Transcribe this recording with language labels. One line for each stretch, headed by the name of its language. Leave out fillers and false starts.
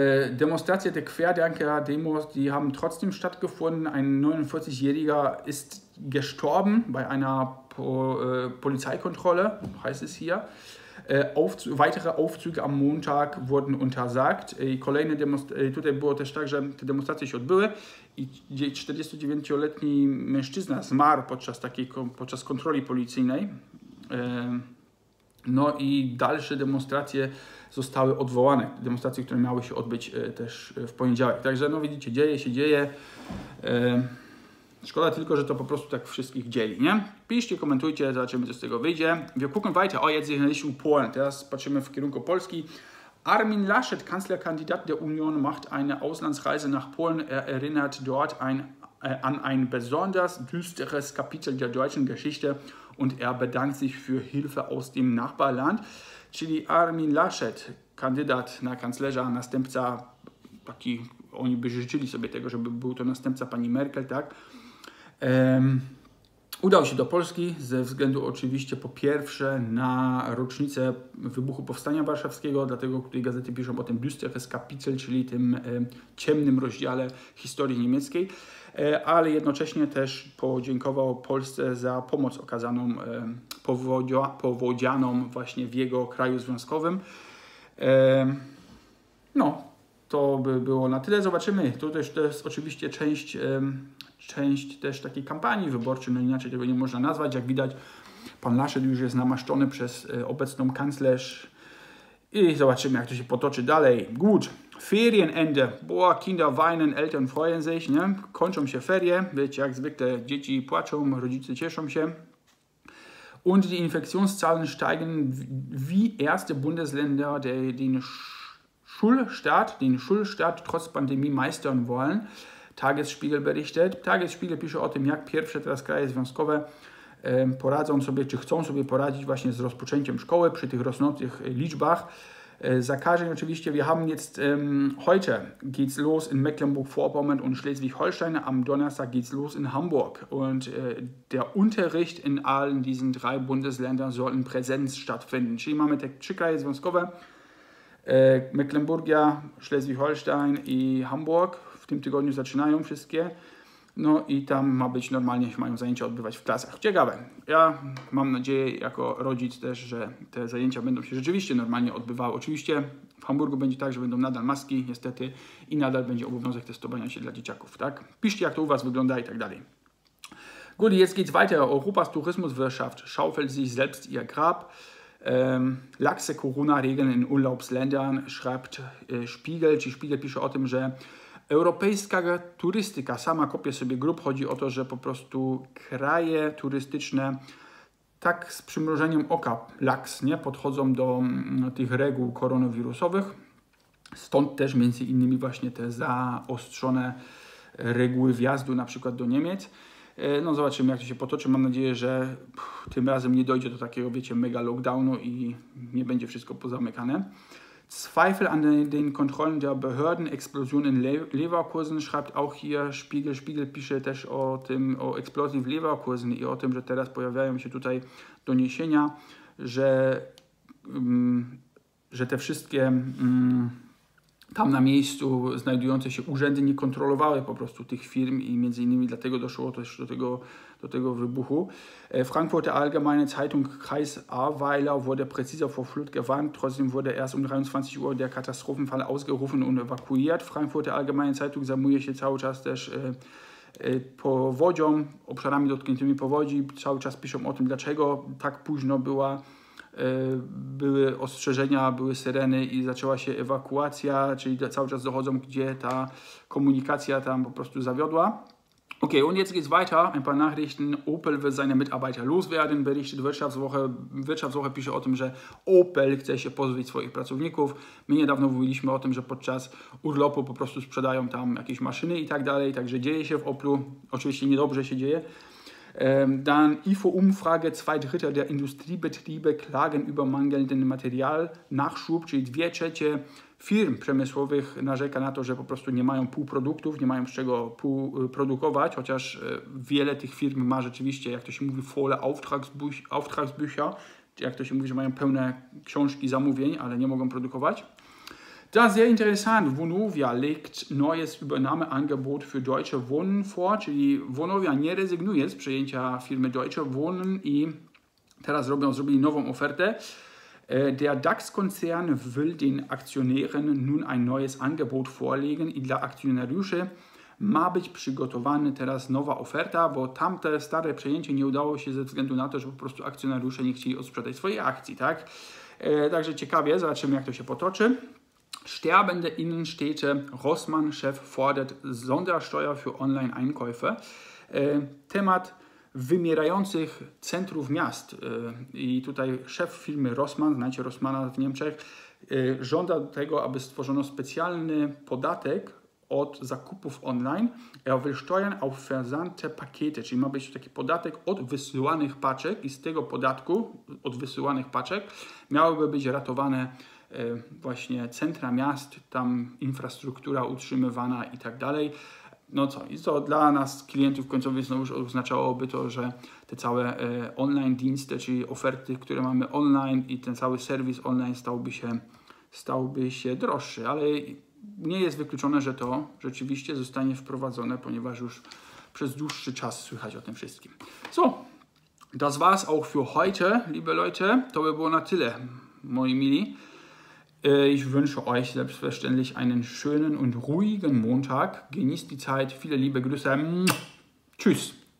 Polish: Demonstracje, te
German: Querdenker-Demos, die haben trotzdem stattgefunden. Ein 49-Jähriger ist gestorben bei einer Polizeikontrolle, heißt es hier. Weitere Aufzüge am Montag wurden untersagt.
Polish: Kolejne tutaj było też tak, że te demonstracje się odbyły i 49-letni mężczyzna zmarł podczas kontroli policyjnej. No i dalsze demonstracje zostały odwołane. Demonstracje, które miały się odbyć też w poniedziałek. Także no widzicie, dzieje się. Szkoda tylko, że to po prostu tak wszystkich dzieli, nie? Piszcie, komentujcie, zobaczymy, co z tego wyjdzie.
German: Wir gucken weiter. O, jetzt sind wir in Polen.
Polish: Teraz patrzymy w kierunku Polski.
German: Armin Laschet, Kanzlerkandidat der Union, macht eine Auslandsreise nach Polen. Er erinnert dort an ein besonders düsteres Kapitel der deutschen Geschichte und er bedankt sich für Hilfe aus dem Nachbarland.
Polish: Czyli Armin Laschet, kandydat na kanclerza, następca, taki oni by życzyli sobie tego, żeby był to następca pani Merkel, tak? Udał się do Polski ze względu oczywiście po pierwsze na rocznicę wybuchu Powstania Warszawskiego, dlatego tutaj gazety piszą o tym
German: Düsteres Kapitel,
Polish: czyli tym ciemnym rozdziale historii niemieckiej, ale jednocześnie też podziękował Polsce za pomoc okazaną powodzianom właśnie w jego kraju związkowym. No, to by było na tyle. Zobaczymy. To jest oczywiście część też takiej kampanii wyborczej, no inaczej tego nie można nazwać. Jak widać, pan Laschet już jest namaszczony przez obecną kanclerz i zobaczymy, jak to się potoczy dalej.
German: Gut, Ferienende. Boah, Kinder weinen, Eltern freuen sich, nie?
Polish: Kończą się ferie. Wiecie, jak zwykle dzieci płaczą, rodzice cieszą się.
German: Und die Infektionszahlen steigen wie erste Bundesländer den Schulstart trotz Pandemii meistern wollen. Tagesspiegel berichtet.
Polish: Tagesspiegel pisze o tym, jak pierwsze teraz kraje związkowe poradzą sobie, czy chcą sobie poradzić właśnie z rozpoczęciem szkoły przy tych rosnących liczbach zakażeń. Oczywiście
German: wir haben jetzt heute geht's los in Mecklenburg-Vorpommern und Schleswig-Holstein, am Donnerstag geht's los in Hamburg und der Unterricht in allen diesen drei Bundesländern soll in Präsenz stattfinden.
Polish: Czyli mamy te trzy kraje związkowe, Mecklenburgia, Schleswig-Holstein i Hamburg. W tym tygodniu zaczynają wszystkie, no i tam ma być normalnie, się mają zajęcia odbywać w klasach. Ciekawe. Ja mam nadzieję jako rodzic też, że te zajęcia będą się rzeczywiście normalnie odbywały. Oczywiście w Hamburgu będzie tak, że będą nadal maski niestety i nadal będzie obowiązek testowania się dla dzieciaków, tak? Piszcie, jak to u was wygląda i tak dalej.
German: Gut, jetzt geht's weiter. Europas Tourismuswirtschaft schaufelt sich selbst ihr Grab. Laxe Corona-Regeln in Urlaubsländern, schreibt Spiegel.
Polish: Czy Spiegel pisze o tym, że europejska turystyka sama kopie sobie grób. Chodzi o to, że po prostu kraje turystyczne tak z przymrużeniem oka, laks, nie, podchodzą do tych reguł koronawirusowych. Stąd też między innymi właśnie te zaostrzone reguły wjazdu na przykład do Niemiec. No zobaczymy, jak to się potoczy. Mam nadzieję, że tym razem nie dojdzie do takiego, wiecie, mega lockdownu i nie będzie wszystko pozamykane.
German: Zweifel an den Kontrollen der Behörden, Explosion in Leverkusen, schreibt auch hier Spiegel.
Polish: Spiegel pisze też o tym, o eksplozji w Leverkusen i o tym, że teraz pojawiają się tutaj doniesienia, że te wszystkie tam na miejscu znajdujące się urzędy nie kontrolowały po prostu tych firm i między innymi dlatego doszło też do tego wybuchu.
German: Frankfurter Allgemeine Zeitung Kreis Ahrweiler wurde präzise vor Flut gewarnt. Trotzdem wurde erst um 23 Uhr der Katastrophenfall ausgerufen und evakuiert.
Polish: Frankfurter Allgemeine Zeitung zajmuje się cały czas też powodzią, obszarami dotkniętymi powodzi. Cały czas piszą o tym, dlaczego tak późno były ostrzeżenia, były syreny i zaczęła się ewakuacja, czyli cały czas dochodzą, gdzie ta komunikacja tam po prostu zawiodła.
German: Okay, und jetzt geht's weiter. Ein paar Nachrichten. Opel will seine Mitarbeiter loswerden, berichtet Wirtschaftswoche.
Polish: Wirtschaftswoche pisze o tym, że Opel chce się pozbyć swoich pracowników. My niedawno mówiliśmy o tym, że podczas urlopu po prostu sprzedają tam jakieś maszyny i tak dalej. Także dzieje się w Oplu. Oczywiście niedobrze się dzieje.
German: Dann IFO-Umfrage. 2/3 der Industriebetriebe klagen über mangelnden Materialnachschub,
Polish: czyli 2/3 firm przemysłowych narzeka na to, że po prostu nie mają półproduktów, nie mają z czego produkować, chociaż wiele tych firm ma rzeczywiście, jak to się mówi,
German: volle Auftragsbücher,
Polish: jak to się mówi, że mają pełne książki zamówień, ale nie mogą produkować.
German: Da sehr interessant. Vonovia legt neues Übernahmeangebot für Deutsche Wohnen vor.
Polish: Czyli Vonovia nie rezygnuje z przejęcia firmy Deutsche Wohnen i teraz zrobili nową ofertę.
German: Der DAX-Konzern will den Aktionären nun ein neues Angebot vorlegen.
Polish: I dla akcjonariuszy ma być przygotowana teraz nowa oferta, bo tamte stare przejęcie nie udało się ze względu na to, że po prostu akcjonariusze nie chcieli odsprzedać swojej akcji. Tak? Także ciekawie, zobaczymy jak to się potoczy.
German: Sterbende Innenstädte, Rossmann-Chef fordert Sondersteuer für Online-Einkäufe.
Polish: Temat wymierających centrów miast. I tutaj szef firmy Rossmann, znacie Rossmanna w Niemczech, żąda tego, aby stworzono specjalny podatek od zakupów online.
German: Er will steuern auf versandte Pakete,
Polish: czyli ma być taki podatek od wysyłanych paczek i z tego podatku od wysyłanych paczek miałyby być ratowane właśnie centra miast, tam infrastruktura utrzymywana i tak dalej. No co, i to dla nas klientów końcowych znowu oznaczałoby to, że te całe
German: online dienste,
Polish: czyli oferty, które mamy online i ten cały serwis online stałby się droższy, ale nie jest wykluczone, że to rzeczywiście zostanie wprowadzone, ponieważ już przez dłuższy czas słychać o tym wszystkim.
German: So, das war's auch für heute, liebe Leute.
Polish: To by było na tyle, moi mili.
German: Ich wünsche euch selbstverständlich einen schönen und ruhigen Montag. Genießt die Zeit. Viele liebe Grüße. Tschüss.